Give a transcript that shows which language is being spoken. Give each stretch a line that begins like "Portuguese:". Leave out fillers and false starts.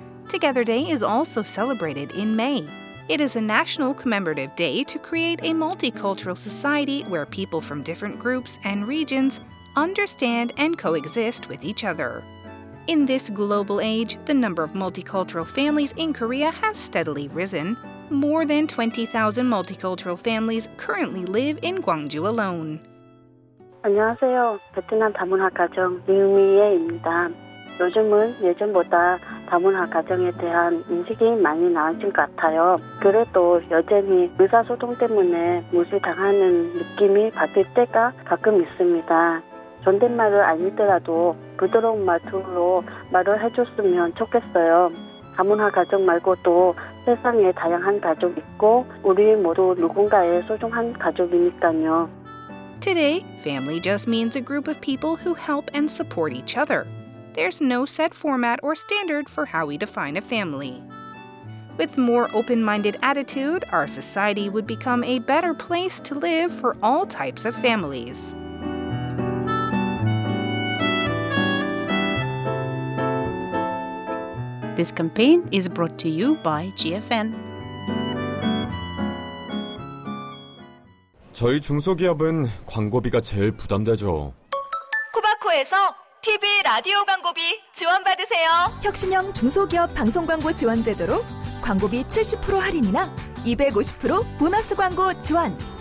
English: Together Day is also celebrated in May. It is a national commemorative day to create a multicultural society where people from different groups and regions understand and coexist with each other. In this global age, the number of multicultural families in Korea has steadily risen. More than 20,000 multicultural families currently live in Gwangju alone.
Korean: 안녕하세요. 베트남 다문화 가정 리우미예입니다. 요즘은 예전보다 다문화 가정에 대한 인식이 많이 나아진 것 같아요. 그래도 여전히 의사소통 때문에 무시당하는 느낌이 받을 때가 가끔 있습니다. 존댓말을 아니더라도 부드러운 말투로 말을 해줬으면 좋겠어요. 다문화 가정 말고도 세상에 다양한 가족 있고 우리 모두 누군가의 소중한 가족이니까요.
English: Today, family just means a group of people who help and support each other. There's no set format or standard for how we define a family. With more open-minded attitude, our society would become a better place to live for all types of families. This campaign is brought to you by GFN.
Korean: 저희 중소기업은 광고비가 제일 부담되죠. 코바코에서 TV 라디오 광고비 지원받으세요. 혁신형 중소기업 방송 광고 지원 제도로 광고비 70% 할인이나 250% 보너스 광고 지원.